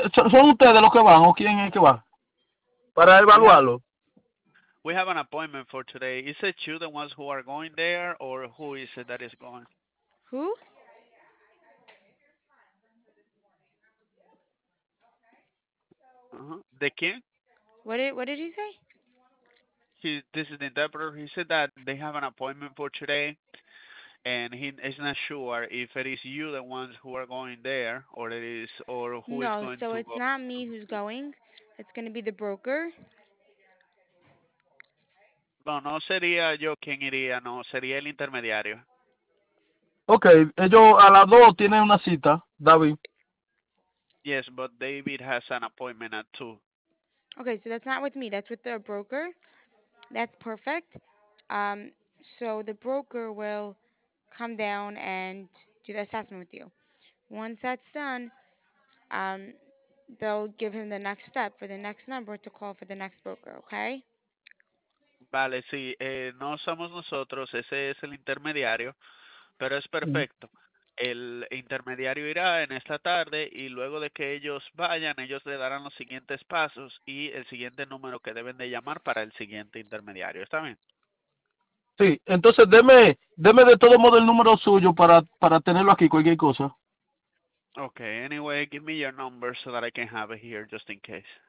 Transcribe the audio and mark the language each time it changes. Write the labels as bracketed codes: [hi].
[es] ¿Son ustedes los que van o quién es que va? Para evaluarlo. [en] We have an appointment for today. Is it you, the ones who are going there, or who is it that is going? Who? The king? What did he say? This is the interpreter. He said that they have an appointment for today, and he is not sure if it is you, the ones who are going there, it's not me who's going. It's going to be the broker. [es] No, no sería yo quien iría, no, sería el intermediario. Okay, ellos a las 2 tienen una cita, David. [en] Yes, but David has an appointment at 2. Okay, so that's not with me, that's with the broker. That's perfect. So the broker will come down and do the assessment with you. Once that's done, they'll give him the next step for the next number to call for the next broker, okay? [es] Vale, sí, no somos nosotros, ese es el intermediario, pero es perfecto. El intermediario irá en esta tarde y luego de que ellos vayan, ellos le darán los siguientes pasos y el siguiente número que deben de llamar para el siguiente intermediario, ¿está bien? Sí, entonces deme de todo modo el número suyo para tenerlo aquí, cualquier cosa. [en] Okay, anyway, give me your number so that I can have it here just in case.